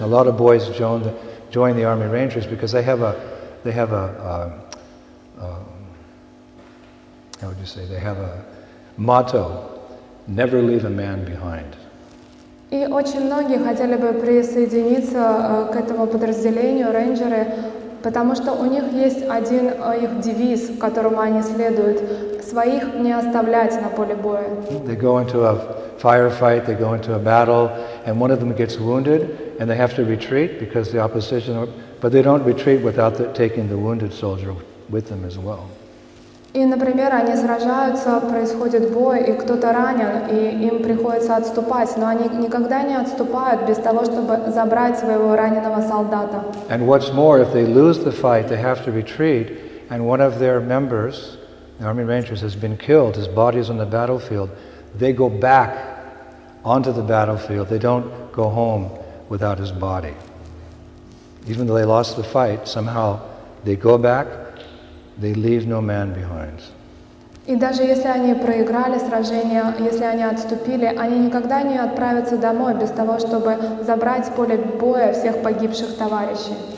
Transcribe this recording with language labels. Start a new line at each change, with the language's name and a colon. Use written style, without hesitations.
English: A lot of boys join the Army Rangers because they have a motto: never leave a man behind.
Russian: И очень многие хотели бы присоединиться к этому подразделению Рейнджеры, потому что у них есть один их девиз, которому они следуют: своих не оставлять на поле боя.
English: They go into a firefight, they go into a battle, and one of them gets wounded, and they have to retreat because the opposition. But they don't retreat without taking the wounded soldier with them as well.
Russian: И, например, они сражаются, происходит бой, и кто-то ранен, и им приходится отступать, но они никогда не отступают без того, чтобы забрать своего раненого солдата.
English: And what's more, if they lose the fight, they have to retreat, and one of their members, the Army Rangers, has been killed, his body is on the battlefield, they go back onto the battlefield, they don't go home without his body. Even though they lost the fight, somehow they go back, they leave no man behind.
Russian: И даже если они проиграли сражение, если они отступили, они никогда не отправятся домой без того, чтобы забрать с поля боя всех погибших товарищей.